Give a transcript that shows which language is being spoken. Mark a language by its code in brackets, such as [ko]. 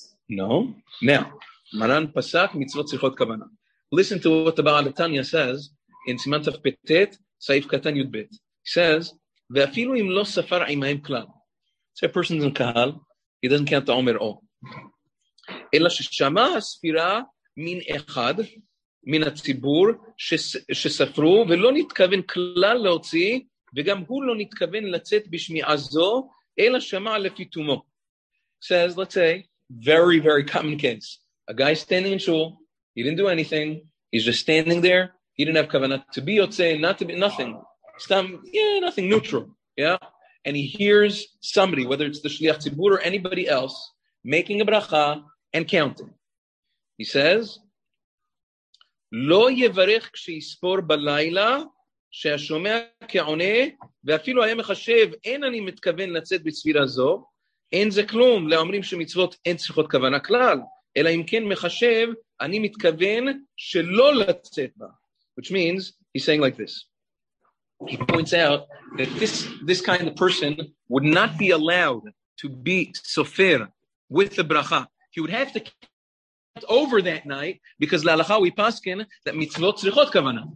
[en] No, now, [he] מרן פסק, מצוות צריכות כוונה. [en] Listen to what the Baal HaTanya says, in [he] סימן תף פתת, סעיף קטן י' ב'. [en] He says, [he] ואפילו אם לא ספר עימהם כלל, [en] say a person in קהל, he doesn't count the Omer all. [he] אלא ששמע הספירה מן אחד, מן הציבור, שספרו, ולא נתכוון כלל להוציא, וגם הוא לא נתכוון לצאת בשמיעה זו, אלא שמע לפיתומו. [en] Says, let's say, very, very common case. A guy standing in shul, he didn't do anything, he's just standing there, he didn't have כוונת to be יוצא, not to be, nothing. Stam, yeah, nothing, neutral. Yeah? And he hears somebody, whether it's the שליח ציבור or anybody else, making a ברכה, and counting. He says, [he] לא יברך כשיספור בלילה, שהשומע כעונה, ואפילו היה מחשב, אין אני מתכוון לצאת בצפירה זו, אין זה כלום, לאומרים שמצוות אין צריכות כוונה כלל, אלא אם כן מחשב, אני מתכוון שלא לצאת בה. [en] Which means, he's saying like this. He points out that this kind of person would not be allowed to be sofer with the bracha. He would have to count over that night because la'alacha we paskin that mitzvot tzrichot kavana.